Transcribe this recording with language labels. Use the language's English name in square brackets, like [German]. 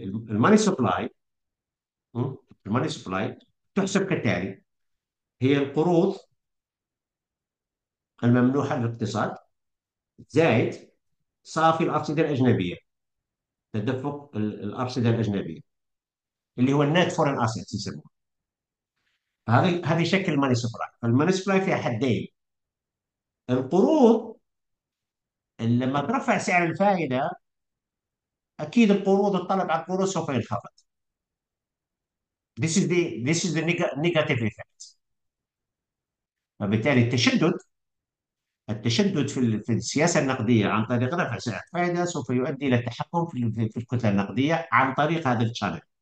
[Arabic] الماني سبلاي، الماني سبلاي تحسب كالتالي: هي القروض الممنوحه للاقتصاد زائد صافي الارصده الاجنبيه، تدفق الأرصدة الأجنبية اللي هو النت فورين اسيتس يسموه. هذه شكل الماني سبلاي. فالماني سبلاي فيها حدين: القروض اللي لما ترفع سعر الفائدة أكيد القروض، الطلب على القروض سوف ينخفض. [English] This is the negative effect. [Arabic] فبالتالي التشدد في السياسه النقديه عن طريق رفع سعر الفائده سوف يؤدي الى التحكم في الكتله النقديه عن طريق هذا الشانل.